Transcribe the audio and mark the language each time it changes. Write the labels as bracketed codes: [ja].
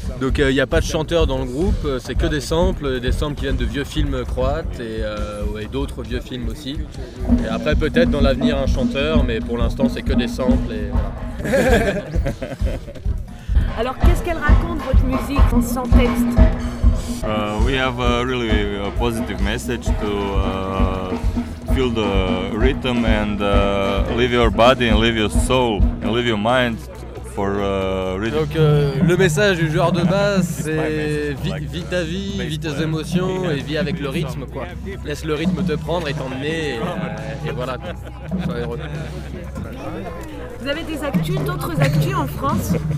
[fr] Donc il n'y a pas de chanteur dans le groupe. C'est que des samples qui viennent de vieux films croates et d'autres vieux films aussi. Et après peut-être dans l'avenir un chanteur, mais pour l'instant c'est que des samples et voilà. Alors qu'est-ce qu'elle raconte votre musique en sans texte? [en] We have a really a positive message to feel the rhythm and live your body and live your soul and live your mind for rhythm. [fr] Donc le message du joueur de basse c'est vis ta vie, vis tes émotions et vis avec le rythme quoi. Laisse le rythme te prendre et t'emmener et voilà. Sois heureux. Vous avez des actus, d'autres actus en France?